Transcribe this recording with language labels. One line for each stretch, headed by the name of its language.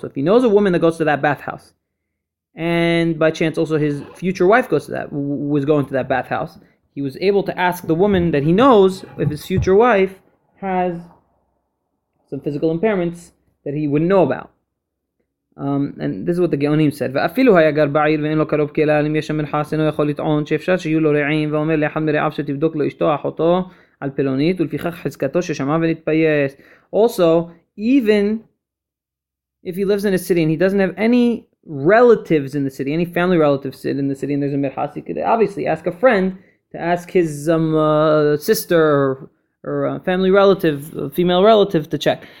English: So if he knows a woman that goes to that bathhouse, and by chance also his future wife was going to that bathhouse, he was able to ask the woman that he knows if his future wife has some physical impairments that he wouldn't know about. And this is what the Geonim said.
Hebrew: ואפילו היה גר בעיר ואין לו קרוב כאלה, אם יש שם מרחס, אינו יכול לטעון שאפשר שיהיו לו רעים, ואומר לאחד מרעיו שתבדוק לו אשתו אחותו על פלונית, ולפיכך חזקתו ששמע ונתפייס.
English: Also, even if he lives in a city and he doesn't have any relatives in the city, any family relatives in the city, and there's a מרחס, he could obviously ask a friend to ask his sister or a family relative, a female relative, to check.